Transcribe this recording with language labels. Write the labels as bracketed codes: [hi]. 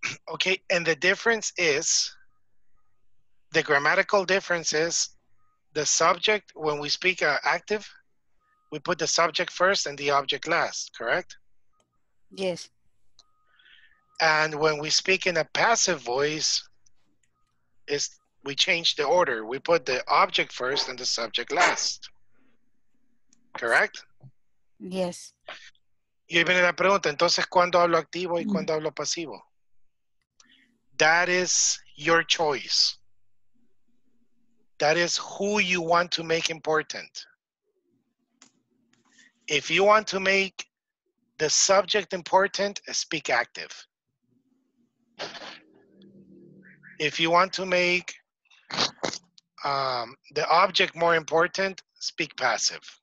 [en] Okay, and the difference is, the grammatical difference is, the subject, when we speak active, we put the subject first and the object last, correct? Yes. And when we speak in a passive voice, we change the order. We put the object first and the subject last, correct? Yes. [es] Y ahí viene la pregunta, entonces, ¿cuándo hablo activo y cuándo hablo pasivo? [en] That is your choice. That is who you want to make important. If you want to make the subject important, speak active. If you want to make the object more important, speak passive.